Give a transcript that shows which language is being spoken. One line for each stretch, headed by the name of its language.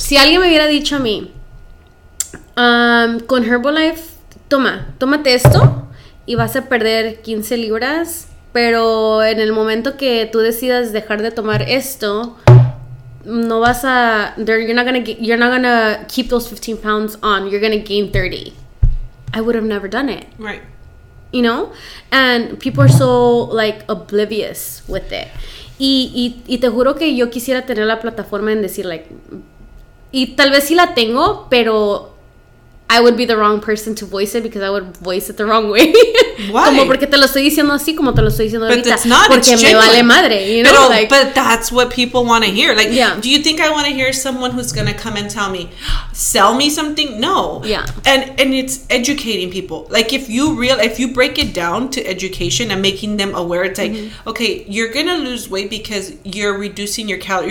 Spanish: Si alguien me hubiera dicho a mí, con Herbalife, tómate esto y vas a perder 15 libras, pero en el momento que tú decidas dejar de tomar esto, no vas a,
English: you're not gonna keep those 15 pounds on, you're gonna gain 30. I would have never done it. Right. You know? And people are so like oblivious with it.
Spanish: Y te juro que yo quisiera tener la plataforma en decir, like, y tal vez sí la tengo, pero
English: I would be the wrong person to voice it because I would voice it the wrong way. Why?
Spanish: Como porque te lo estoy diciendo así como te lo estoy diciendo ahorita.
English: But it's not,
Spanish: porque
English: it's genuine.
Spanish: Me vale madre, you know?
English: Pero, like, but that's what people want to hear. Like, yeah. Do you think I want to hear someone who's going to come and tell me, sell me something? No. Yeah. And it's educating people. Like, if you break it down to education and making them aware, it's like, mm-hmm. okay, you're going to lose weight because you're reducing your calories.